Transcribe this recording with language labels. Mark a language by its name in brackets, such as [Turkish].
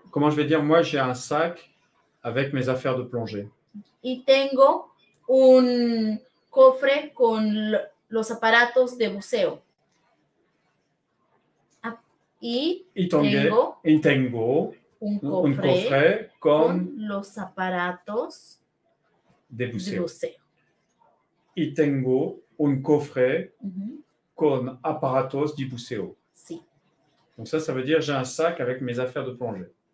[French] Comment je vais dire, moi j'ai un sac avec mes affaires de plongée. [Spanish] Y tengo un coffret con los aparatos de buceo. Y tengo. Un coffret con los aparatos de buceo. Y tengo un coffret con aparatos de buceo. Sí. [French] Donc ça veut dire j'ai un sac avec mes affaires de plongée.